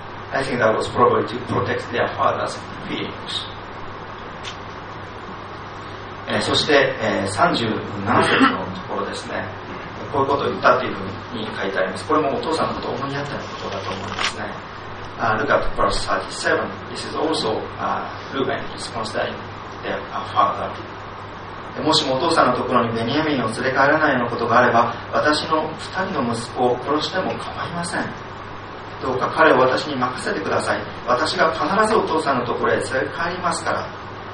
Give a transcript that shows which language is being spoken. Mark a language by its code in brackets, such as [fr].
[en] I think that was probably to protect their father's feelings. [ja] そして、37節のところですね、こういうことを言ったというふうに書いてあります。これもお父さんのことを思い合ったことだと思いますね。 [en] Look at verse 37. This is also Reuben is considering their father. [ja] もしもお父さんのところにベニヤミンを連れ帰らないようなことがあれば、私の2人の息子を殺しても構いません。どうか彼を私に任せてください。私が必ずお父さんのところへ連れ帰りますから。